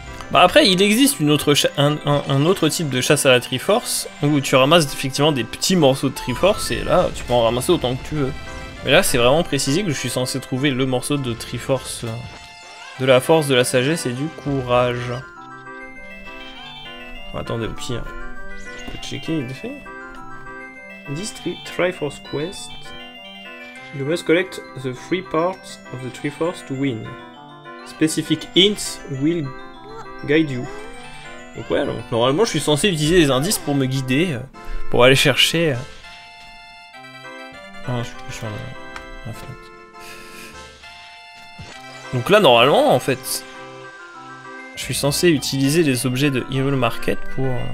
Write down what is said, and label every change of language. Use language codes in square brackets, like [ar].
[fr] Bah après, il existe une autre un autre type de chasse à la Triforce où tu ramasses effectivement des petits morceaux de Triforce et là, tu peux en ramasser autant que tu veux. Mais là, c'est vraiment précisé que je suis censé trouver le morceau de Triforce de la force, de la sagesse et du courage. Bon, attendez, au pire, je peux checker, il fait. [en] District Triforce Quest. You must collect the three parts of the Triforce to win. Specific hints will guide you. [fr] Donc ouais, donc normalement je suis censé utiliser des indices pour me guider, pour aller chercher. Ah, je suis en fait. Donc là normalement en fait, je suis censé utiliser les objets de Hyrule Market pour.